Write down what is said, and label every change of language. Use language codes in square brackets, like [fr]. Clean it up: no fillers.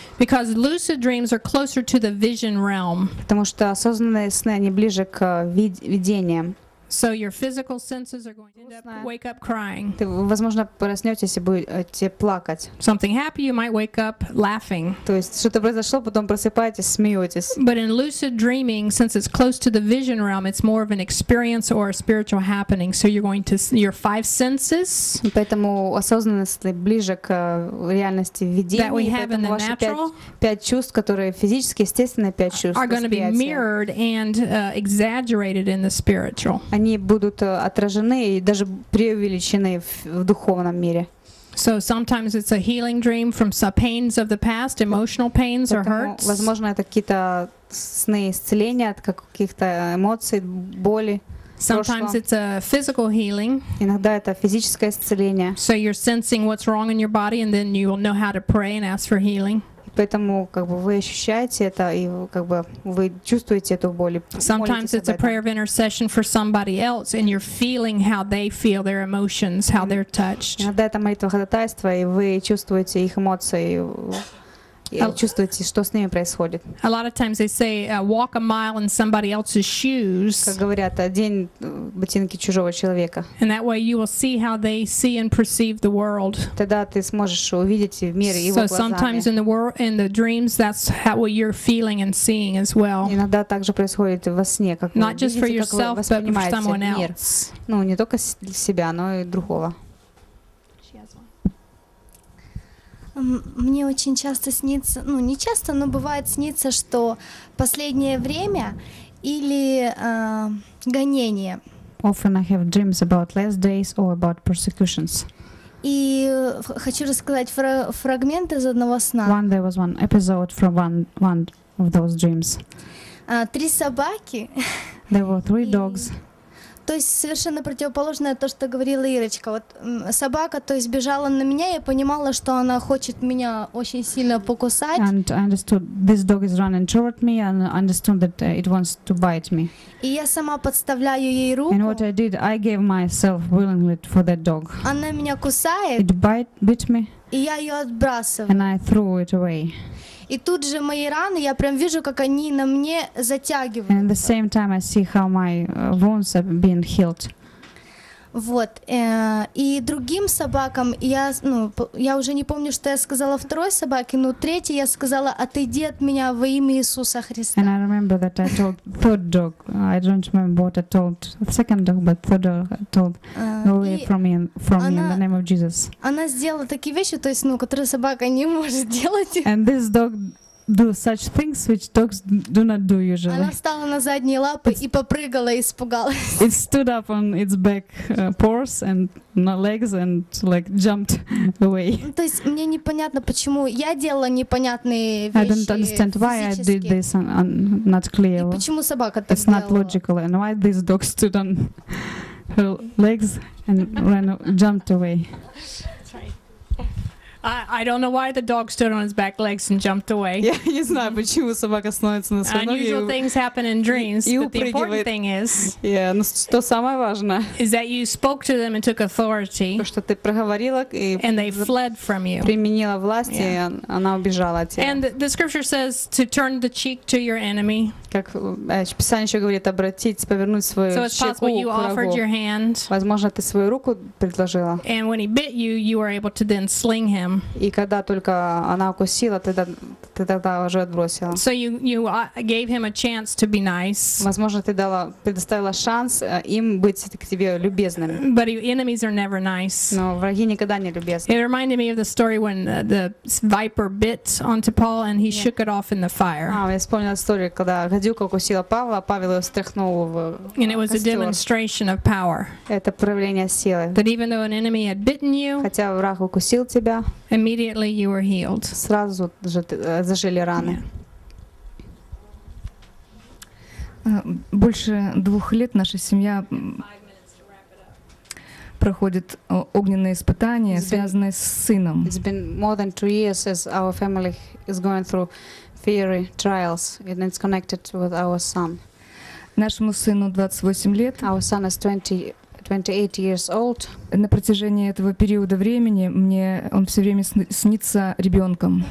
[en] Because lucid dreams are closer to the vision realm. [ru] Потому что осознанные сны они ближе к видениям. [en] So your physical senses are going to end up wake up crying. [ru] Ты, возможно, проснётесь и будете плакать. [en] Something happy, you might wake up laughing. [ru] То есть что-то произошло, потом просыпаетесь, смеётесь. [en] But in lucid dreaming, since it's close to the vision realm, it's more of an experience or a spiritual happening. So you're going to your five senses. [ru] Поэтому осознанность ближе к реальности видений. [en] That we have in the natural. [ru] Пять чувств, которые физически, естественно, пять чувств. [en] Are going to be mirrored and exaggerated in the spiritual. [ru] Они будут отражены и даже преувеличены в духовном мире. [en] So sometimes it's a healing dream from some pains of the past, emotional pains or hurts. [ru] Возможно, это какие-то сны исцеления от каких-то эмоций, боли. [en] Sometimes it's a physical healing. [ru] Иногда это физическое исцеление. [en] So you're sensing what's wrong in your body and then you will know how to pray and ask for healing. [ru] Поэтому как бы вы ощущаете это и как бы вы чувствуете эту боль. [en] Sometimes it's a prayer of intercession for somebody else and you're feeling how they feel their emotions, how they're touched. [ru] Иногда это молитва ходатайства и вы чувствуете их эмоции. Чувствуете, что с ними происходит. [en] A lot of times they say walk a mile in somebody else's shoes. [ru] Как говорят, одень ботинки чужого человека. [en] And that way you will see how they see and perceive the world. [ru] Тогда ты сможешь увидеть мир его глазами. [en] So sometimes in the world, in the dreams, that's how what you're feeling and seeing as well. [ru] Иногда также происходит во сне, как вы [en] not just for yourself, but for someone else. [ru] Ну, не только для себя, но и другого. Мне очень часто снится, ну не часто, но бывает снится, что последнее время или гонение. [en] Often I have dreams about last days or about persecutions. [ru] И хочу рассказать фрагмент из одного сна. [en] One there was one episode from one of those dreams. [ru] Три собаки. [en] There were three dogs. [ru] То есть совершенно противоположное то, что говорила Ирочка. Вот собака, то есть бежала на меня, я понимала, что она хочет меня очень сильно покусать. [en] And I understood this dog is running toward me and understood that it wants to bite me. [ru] И я сама подставляю ей руку. [en] And what I did, I gave myself willingly for that dog. [ru] Она меня кусает. [en] It bit me. [ru] И я ее отбрасываю. [en] And I threw it away. [ru] И тут же мои раны, я прям вижу, как они на мне затягиваются. [en] And at the same time I see how my wounds have been healed. [ru] Вот. И другим собакам я, ну, я уже не помню, что я сказала второй собаке, но третьей я сказала: "Отойди от меня во имя Иисуса Христа". [en] And I remember that I told third dog. I don't remember what I told second dog, but third dog I told go away from me in the name of Jesus. [ru] Она сделала такие вещи, то есть, ну, которые собака не может делать. [en] And this dog do such things which dogs do not do usually. [ru] Она встала на задние лапы и попрыгала, испугалась. [en] It stood up on its back paws and [ru] на [en] legs and like jumped away. [ru] То есть мне непонятно, почему я делала непонятные вещи. [en] I don't understand why I did this and not clear. [ru] И почему собака так делала? [en] It's not logical and why this dog stood on her legs and ran jumped away. I don't know why the dog stood on his back legs and jumped away. [ru] Я не знаю, почему собака становится на свои ноги. [en] Unusual things happen in dreams, but the important thing is. Yeah, [ru] но что самое важное? [en] Is that you spoke to them and took authority. [ru] То, что ты проговорила и. [en] And they fled from you. [ru] Применила власть и она убежала от тебя. [en] And the scripture says to turn the cheek to your enemy. [ru] Как Писание еще говорит обратить, повернуть свою щеку к врагу. [en] So it's possible you offered your hand. [ru] Возможно, ты свою руку предложила. [en] And when he bit you, you were able to then sling him. [ru] И когда только она укусила, ты тогда уже отбросила. [en] So you gave him a chance to be nice. [ru] Возможно, ты предоставила шанс им быть к тебе любезными. [en] But enemies are never nice. [ru] Но враги никогда не любезны. [en] It reminded me of the story when the viper bit onto Paul and he shook it off in the fire. [ru] Я вспомнила историю, когда гадюка укусила Павла, а Павел ее стряхнул в костер. [en] And it was a demonstration of power. [ru] Это проявление силы. [en] That even though an enemy had bitten you, [ru] хотя враг укусил тебя, [en] immediately you were healed. [ru] Сразу же зажили раны. Больше двух лет наша семья проходит огненные испытания, связанные с сыном. [en] It's been more than 2 years as our family is going through fiery trials, and it's connected with our son. [ru] Нашему сыну 28 лет. [en] Our son is 28 years old. [ru] На протяжении этого периода времени он все время снится ребенком.